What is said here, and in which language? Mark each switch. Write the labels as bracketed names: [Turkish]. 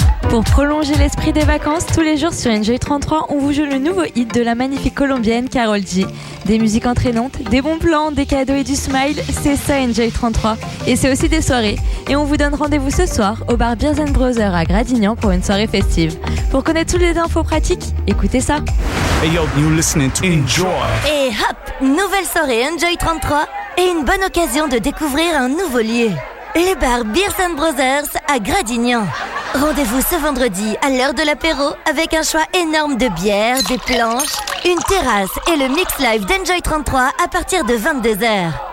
[French] Pour prolonger l'esprit des vacances, tous les jours sur Enjoy 33, on vous joue le nouveau hit de la magnifique colombienne Karol G. Des musiques entraînantes, des bons plans, des cadeaux et du smile, c'est ça Enjoy 33. Et c'est aussi des soirées. Et on vous donne rendez-vous ce soir au bar Beers & Brothers à Gradignan pour une soirée festive. Pour connaître toutes les infos pratiques, écoutez ça. [English] Hey yo, you listening to Enjoy. [French] Et hop, nouvelle soirée Enjoy 33 et une bonne occasion de découvrir un nouveau lieu. Le bar Beers & Brothers à Gradignan. Rendez-vous ce vendredi à l'heure de l'apéro avec un choix énorme de bières, des planches, une terrasse et le mix live d'Enjoy 33 à partir de 22h.